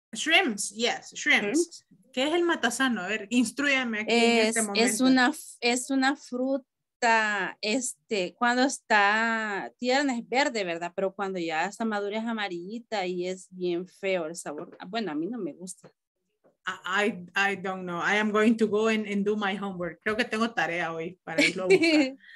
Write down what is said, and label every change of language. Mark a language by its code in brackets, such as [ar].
[en] Shrimps, yes, shrimps. [es] ¿Qué es el matasano? A ver, instrúyeme aquí en este momento. Es una fruta, cuando está tierna es verde, ¿verdad? Pero cuando ya está madura es amarillita y es bien feo el sabor. Bueno, a mí no me gusta. [en] I don't know. I am going to go and do my homework. [es] Creo que tengo tarea hoy para irlo a buscar.